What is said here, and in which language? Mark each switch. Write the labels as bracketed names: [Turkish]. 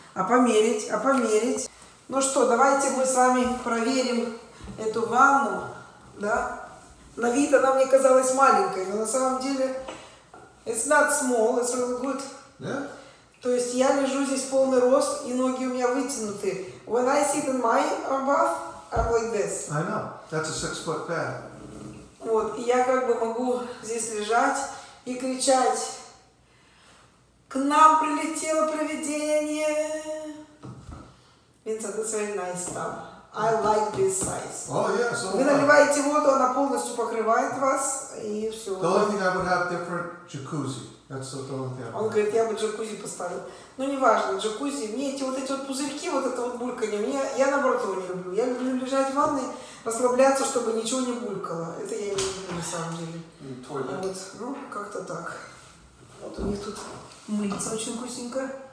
[Russian] А померить? Ну что, давайте мы с вами проверим эту ванну. Да? На вид она мне казалась маленькой, но на самом деле... [English] It's not small, it's really good. Yeah. [Russian] То есть я лежу здесь полный рост, и ноги у меня вытянуты. [English] When I sit in my bath, I'm like this. I know. That's a 6-foot bed. [Russian] Вот, и я как бы могу здесь лежать и кричать. К нам прилетело провидение. [English] Винсент, that's very nice stuff. I like this size. Oh, yeah, so [Russian] вы наливаете воду, она полностью покрывает вас, и все. [English] The only thing I would have different jacuzzi. That's the only thing. [Russian] Он говорит, я бы джакузи поставил. Ну, неважно, джакузи. Мне эти вот эти вот пузырьки, вот это вот бульканье, я наоборот его не люблю. Я люблю лежать в ванной, расслабляться, чтобы ничего не булькало. Это я не люблю на самом деле. Вот, ну, как-то так. Вот у них тут мыльца очень вкусненько.